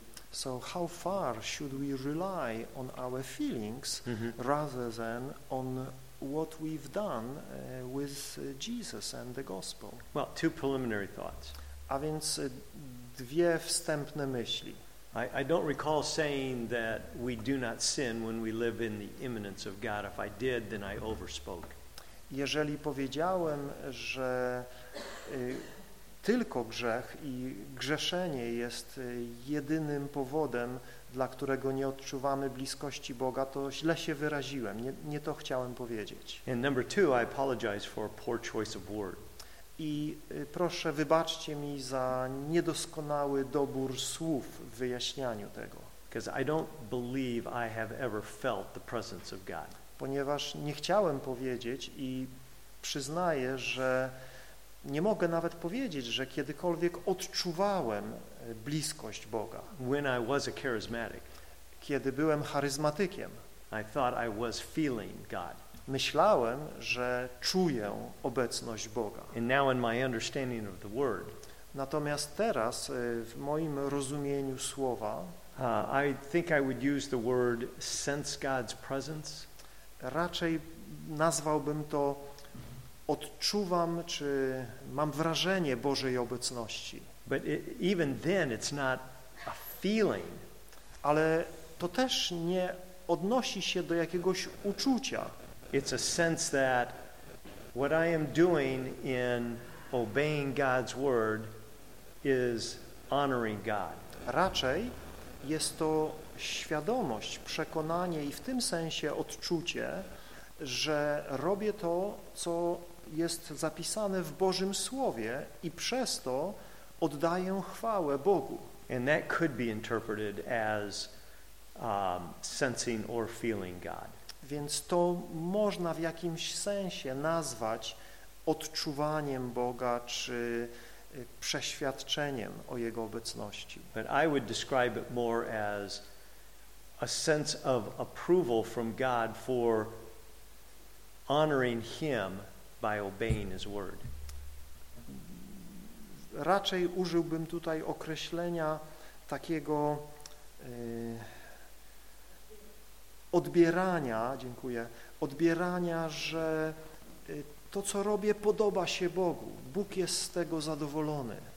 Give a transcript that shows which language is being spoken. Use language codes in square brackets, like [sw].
[en] So how far should we rely on our feelings rather than on what we've done with Jesus and the gospel? Well, two preliminary thoughts. [pl] A więc dwie wstępne myśli. [en] I don't recall saying that we do not sin when we live in the imminence of God. If I did, then I overspoke. [pl] Jeżeli powiedziałem, że tylko grzech i grzeszenie jest jedynym powodem, dla którego nie odczuwamy bliskości Boga, to źle się wyraziłem. Nie to chciałem powiedzieć. [en] And number two, I apologize for poor choice of word. [pl] I proszę, wybaczcie mi za niedoskonały dobór słów w wyjaśnianiu tego. [en] Because I don't believe I have ever felt the presence of God. [pl] Ponieważ nie chciałem powiedzieć i przyznaję, że nie mogę nawet powiedzieć, że kiedykolwiek odczuwałem bliskość Boga. [en] When I was a charismatic, [pl] kiedy byłem charyzmatykiem, [en] I thought I was feeling God. [pl] Myślałem, że czuję obecność Boga. [en] And now in my understanding of the word, [pl] natomiast teraz w moim rozumieniu słowa, [en] I think I would use the word sense God's presence. [pl] Raczej nazwałbym to odczuwam, czy mam wrażenie Bożej obecności. [en] But even then it's not a feeling. [pl] Ale to też nie odnosi się do jakiegoś uczucia. [en] It's a sense that what I am doing in obeying God's word is honoring God. [pl] Raczej jest to świadomość, przekonanie i w tym sensie odczucie, że robię to, co jest zapisane w Bożym Słowie i przez to oddaję chwałę Bogu. [en] And that could be interpreted as sensing or feeling God. [pl] Więc to można w jakimś sensie nazwać odczuwaniem Boga czy przeświadczeniem o Jego obecności. [en] But I would describe it more as a sense of approval from God for honoring Him by obeying His word. [pl] Raczej użyłbym tutaj określenia takiego odbierania, dziękuję, odbierania, że to, co robię, podoba się Bogu. Bóg jest z tego zadowolony.